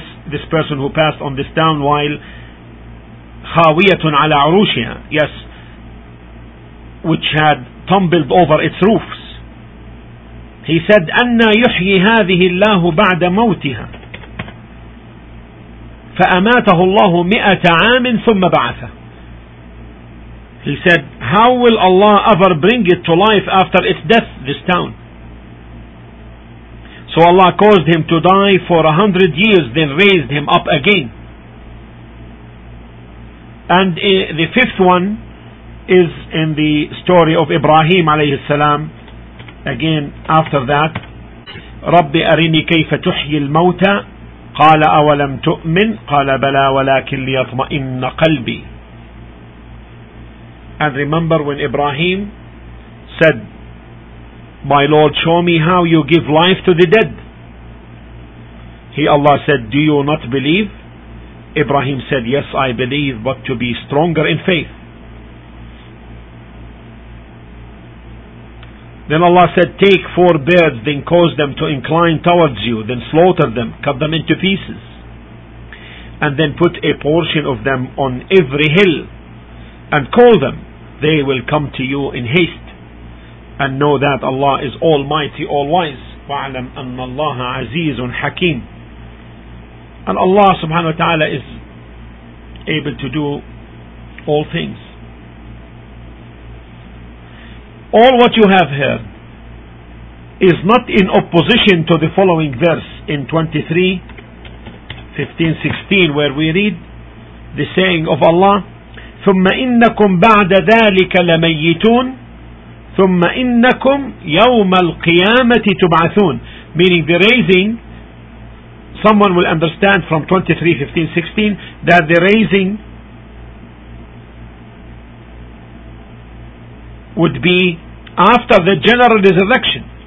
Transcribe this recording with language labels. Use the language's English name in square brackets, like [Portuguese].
[English] This person who passed on this town while [Arabic] خاويةٌ على عروشها, [English] yes, which had tumbled over its roofs. He said, [Arabic] أَنَّا يُحْيِي هَذِهِ اللَّهُ بَعْدَ مَوْتِهَا فَأَمَاتَهُ اللَّهُ مِئَةَ عَامٍ ثُمَّ بَعَثَ. [English] He said, how will Allah ever bring it to life after its death, this town? So Allah caused him to die for 100 years, then raised him up again. And the fifth one is in the story of Ibrahim alayhi salam. Again, after that, [Arabic] رَبِّ أَرِنِي كَيْفَ تُحْيِي الْمَوْتَى قَالَ أَوَلَمْ تُؤْمِنْ قَالَ بَلَى وَلَكِنْ لِيَطْمَئِنَّ قَلْبِي. [English] And remember when Ibrahim said, my Lord, show me how you give life to the dead. Allah said, do you not believe? Ibrahim said, yes, I believe, but to be stronger in faith. Then Allah said, take four birds, then cause them to incline towards you, then slaughter them, cut them into pieces, and then put a portion of them on every hill, and call them. They will come to you in haste, and know that Allah is Almighty, All-Wise. [Arabic] وَعْلَمْ أَنَّ اللَّهَ عَزِيزٌ حَكِيمٌ. [English] And Allah subhanahu wa ta'ala is able to do all things. All what you have heard is not in opposition to the following verse in 23:15-16, where we read the saying of Allah, [Arabic] ثم إنكم بعد ذلك لميتون ثم إنكم يوم القيامة تبعثون. [English] Meaning the raising, someone will understand from 23:15-16 that the raising would be after the general resurrection.